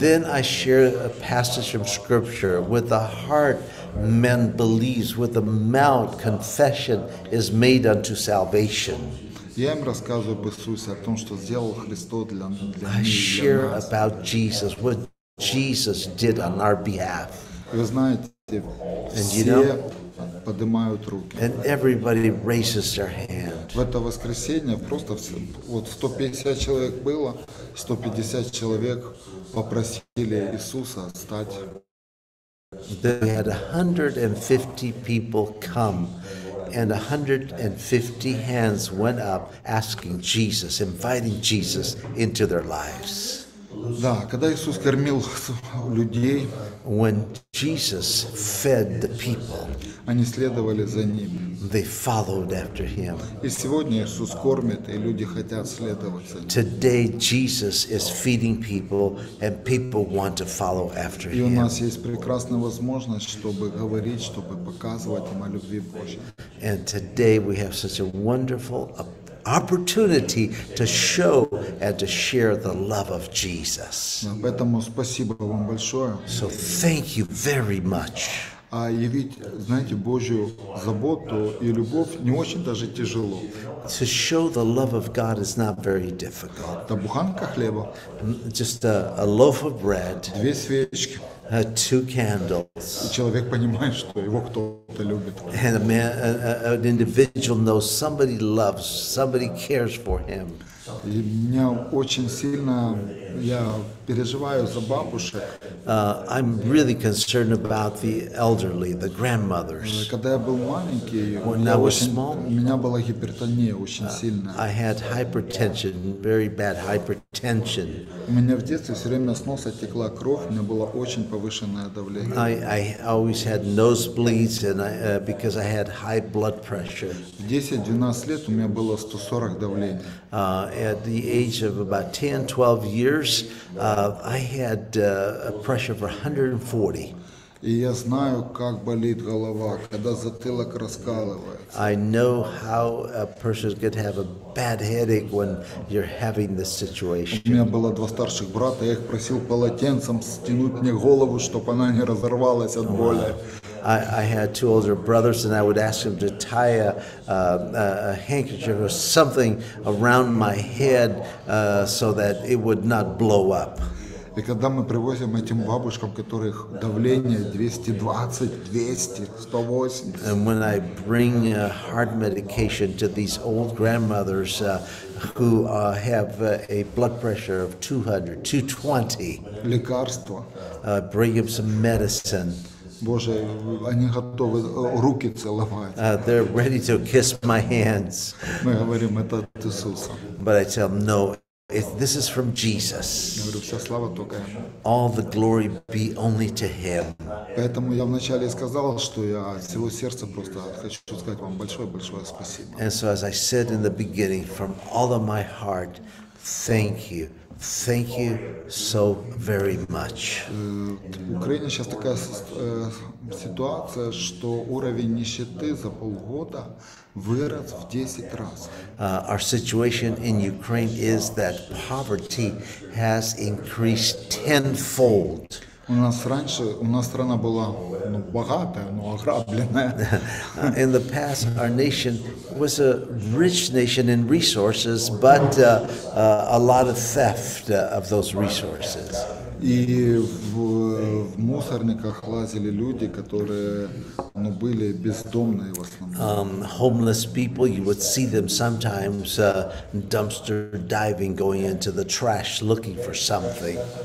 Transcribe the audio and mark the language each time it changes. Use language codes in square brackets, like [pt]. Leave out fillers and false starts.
[en] And then I share a passage from Scripture. With the heart man believes, with the mouth confession is made unto salvation. [ru] Я им рассказываю об Иисусе, о том, что сделал Христос для нас. [en] I share about Jesus, what Jesus did on our behalf. [ru] Вы знаете, все поднимают руки. [en] And everybody raises their hand. [ru] В это воскресенье просто вот 150 человек было, 150 человек попросили Иисуса стать. [en] They had 150 people come. And 150 hands went up asking Jesus, inviting Jesus into their lives. [ru] Да, когда Иисус кормил людей, [en] when Jesus fed the people, [ru] они следовали за ним. [en] They followed after him. [ru] И сегодня Иисус кормит, и люди хотят следовать за ним. [en] Today Jesus is feeding people, and people want to follow after him. [ru] И у нас есть прекрасная возможность, чтобы говорить, чтобы показывать им о любви Божьей. [en] And today we have such a wonderful opportunity to show and to share the love of Jesus. [ru] Поэтому спасибо вам большое. [en] So thank you very much. [ru] А явить, знаете, Божью заботу и любовь не очень даже тяжело. [en] To show the love of God is not very difficult. [ru] Это буханка хлеба. [en] Just a loaf of bread. [ru] Две свечки. [en] Two candles. [ru] И человек понимает, что его кто-то любит. [en] And a man, an individual knows somebody loves, somebody cares for him. [ru] И меня очень сильно, я переживаю за бабушек. [en] I'm really concerned about the elderly, the grandmothers. [ru] Когда я был маленький, у меня была гипертония очень сильная. [en] I had hypertension, very bad hypertension. [ru] У меня в детстве все время с носа текла кровь, у меня была очень повышенное давление. [en] I always had nosebleeds and because I had high blood pressure. [ru] 10-12 лет у меня было 140 давление. [en] At the age of about 10-12 years, I had a pressure of 140. [ru] И я знаю, как болит голова, когда затылок раскалывается. [en] I know how a person could have a bad headache when you're having this situation. [ru] У меня было два старших брата, я их просил полотенцем стянуть мне голову, чтобы она не разорвалась от боли. [en] I had two older brothers, and I would ask them to tie a handkerchief or something around my head so that it would not blow up. [ru] И когда мы привозим этим бабушкам, которых давление 220, 200, 180. [en] And when I bring heart medication to these old grandmothers who have a blood pressure of 200, 220. [ru] Лекарства. [en] Bring them some medicine. [ru] Боже, они готовы руки целовать. [en] They're ready to kiss my hands. [ru] Мы говорим, это от Иисуса. [en] But I tell them, no. This is from Jesus. All the glory be only to Him. [ru] Поэтому я вначале сказал, что я от всего сердца просто хочу сказать вам большое-большое спасибо. [en] And so as I said in the beginning, from all of my heart, thank you. Thank you so very much. [ru] В Украине сейчас такая ситуация, что уровень нищеты за полгода вырос в 10 раз. [en] Our situation in Ukraine is that poverty has increased tenfold. [ru] У нас раньше, у нас страна была, ну, богатая, но ограбленная. [en] In the past, our nation was a rich nation in resources, but a lot of theft of those resources. [ru] И в мусорниках лазили люди, которые, ну, были бездомные в основном. [en] Homeless people, you would see them sometimes dumpster diving, going into the trash, looking for something.